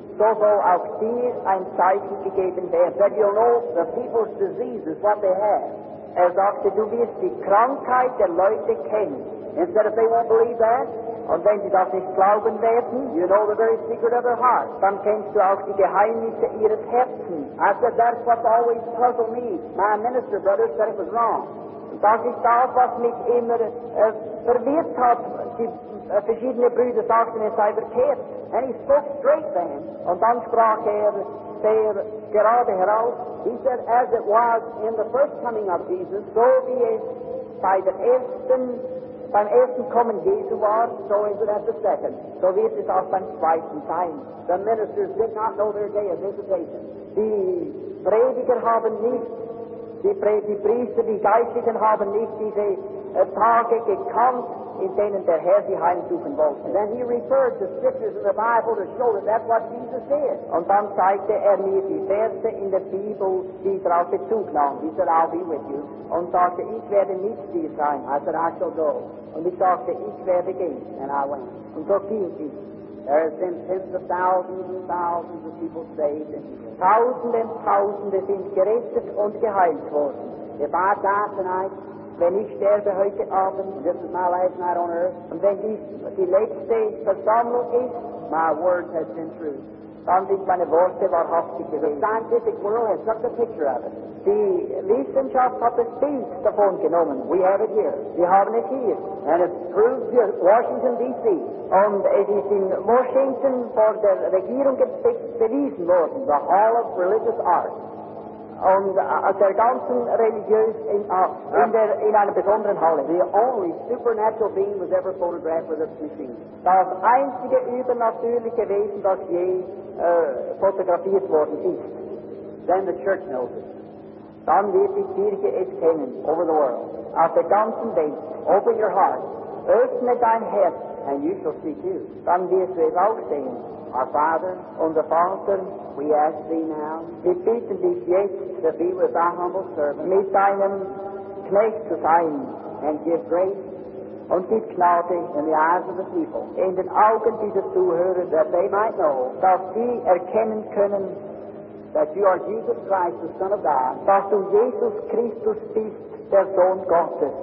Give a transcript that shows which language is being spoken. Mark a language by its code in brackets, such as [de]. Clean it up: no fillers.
[de] So soll auch dir ein Zeichen gegeben werden. [en] That you'll know the people's disease is what they have. [de] Er sagte, du wirst die Krankheit der Leute kennen. [en] Instead of they won't believe that, [de] und wenn sie das nicht glauben werden, [en] you know the very secret of their heart. [de] Dann kennst du auch die Geheimnisse ihres Herzens. [en] I said, that's what always puzzled me. My minister brother said it was wrong. [de] Das ist das, was mich immer verwirrt hat. Die verschiedene Brüder sagten, es sei verkehrt. [en] And he spoke straight then. [de] Und dann sprach er sehr gerade heraus. [en] He said, as it was in the first coming of Jesus, [de] so wie es bei der ersten beim ersten Kommen Jesu war, [en] so is it at the second. [de] So wird es auch beim zweiten sein. [en] The ministers did not know their day of visitation. [de] Die Prediger haben nicht, die Priester, die Geistlichen haben nicht diese Tage gekannt, in denen der Herr sie heimsuchen wollte. [en] And then he referred to scriptures in the Bible to show that that's what Jesus said. [de] Und dann zeigte er mir die Verse in der Bibel, die darauf Bezug nahm. [en] He said, I'll be with you. [de] Und sagte, ich werde mit dir sein. [en] I said, I shall go. [de] Und ich sagte, ich werde gehen. [en] And I went. [de] Und so ging ich. [en] There have been tens of thousands and thousands of people saved. [de] Tausende und Tausende sind gerettet und geheilt worden. [en] If I die tonight, [de] wenn ich sterbe heute Abend, [en] this is my last night on earth, [de] und wenn dies die letzte Versammlung ist, [en] my word has been true. [de] Dann sind meine Worte wahrhaftig gewesen. [en] The scientific world has took a picture of it. [de] Die Wissenschaft hat das Bild davon genommen. [en] We have it here. [de] Wir haben es hier. [en] And it's proved here in Washington, D.C. [de] Und es ist in Washington vor der Regierung bewiesen worden. [en] The Hall of Religious Art. [de] Und der ganzen religiös in einer besonderen Halle. [en] The only supernatural being was ever photographed with a machine. [de] Das einzige übernatürliche Wesen, das je fotografiert worden ist. [en] Then the church knows it. [de] Dann wird die Kirche es kennen. [en] Over the world. [de] Auf der ganzen Welt. [en] Open your heart. [de] Öffne dein Herz. [en] And you shall see too. [de] Dann wirst du es auch sehen. [en] Our Father, [de] unser Vater, [en] we ask thee now, [de] wir bitten dich jetzt, [en] to be with thy humble servant, [de] mit deinem Knecht zu sein, [en] and give grace [de] und gib Gnade [en] in the eyes of the people, [de] in den Augen dieser Zuhörer, [en] that they might know, [de] dass sie erkennen können, [en] that you are Jesus Christ, the Son of God, [de] dass du Jesus Christus bist, der Sohn Gottes,